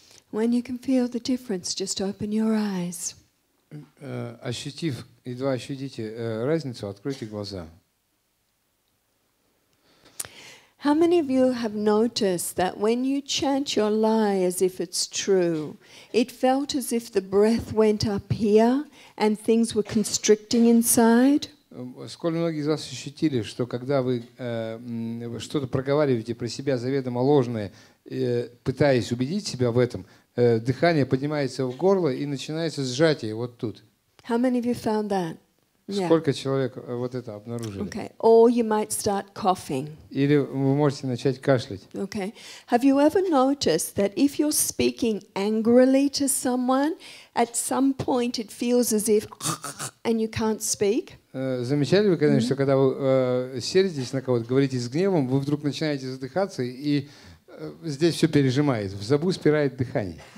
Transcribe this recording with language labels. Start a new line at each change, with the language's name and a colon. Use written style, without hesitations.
English: When you can feel the difference, just open your eyes.
Russian: Ощутив, едва ощутите разницу, откройте глаза.
English: How many of you have noticed that when you chant your lie as if it's true, it felt as if the breath went up here and things were constricting inside?
Russian: Сколько многие из вас ощутили, что когда вы что-то проговариваете про себя заведомо ложное, пытаясь убедить себя в этом, дыхание поднимается в горло и начинается сжатие вот тут.
English: How many of you found that?
Russian: Сколько человек вот это обнаружили?
English: Okay. Or you might start coughing.
Russian: Или вы можете начать кашлять.
English: Okay. Have you ever noticed that if you're speaking angrily to someone, at some point it feels as if and you can't speak?
Russian: Замечали вы когда-нибудь, что когда вы сердитесь на кого-то, говорите с гневом, вы вдруг начинаете задыхаться и здесь все пережимает, в зубу спирает дыхание.